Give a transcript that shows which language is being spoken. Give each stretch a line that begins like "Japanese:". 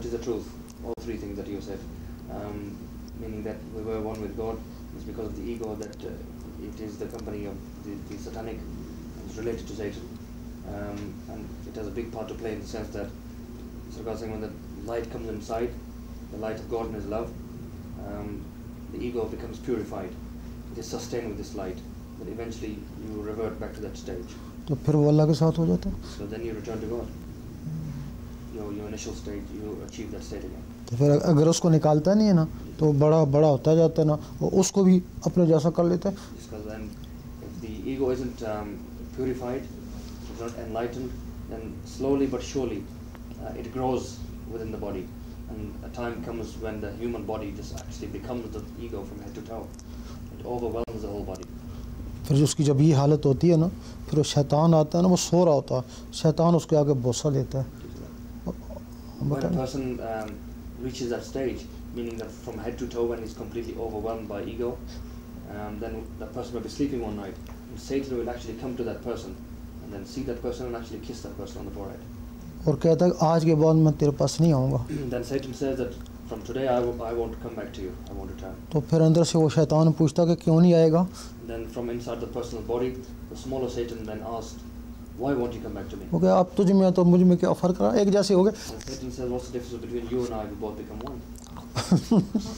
English: That is the truth, all three things that you said. Meaning that we were one with God, it's because of the ego that it is the company of the satanic, it's related to Satan, and it has a big part to play in the sense that Sarkar saying when the light comes inside, the light of God and his love, the ego becomes purified, it is sustained with this light, but eventually you revert back to that stage.
Urdu: So phir wo Allah ke sath ho jata,
English: so then you return to God, your initial state, you achieve that state again.
Urdu: تو پھر اگر اس کو نکالتا نہیں ہے نا تو بڑا بڑا ہوتا جاتا ہے نا, وہ اس کو بھی اپنے جیسا کر لیتا ہے.
English: and a time comes when the human body just actually becomes the ego from head to toe. It overwhelms the whole body.
Urdu: پھر اس کی جب یہ حالت ہوتی ہے نا پھر وہ شیطان آتا ہے نا وہ سو رہا ہوتا ہے شیطان اس کے آگے بوسا دیتا ہے
English: When a person reaches that stage, meaning that from head to toe when he's completely overwhelmed by ego, then that person will be sleeping one night. And Satan will actually come to that person and then see that person and actually kiss that person on the forehead.
Urdu: اور کہتا ہے آج کے بعد میں تیرے پاس نہیں آؤں گا
English: then Satan says that from today I won't come back to you, I won't return.
Urdu: تو پھر اندر سے وہ شیطان پوچھتا کہ کیوں نہیں آئے گا
English: then from inside the personal body, the smaller Satan then asked, why won't you come back to me?
Urdu: Okay, آپ تجھ میں تو مجھ میں کیا فرق رہا ایک جیسے ہو گئے
English: Satan says, what's the difference between you and I, we both become one.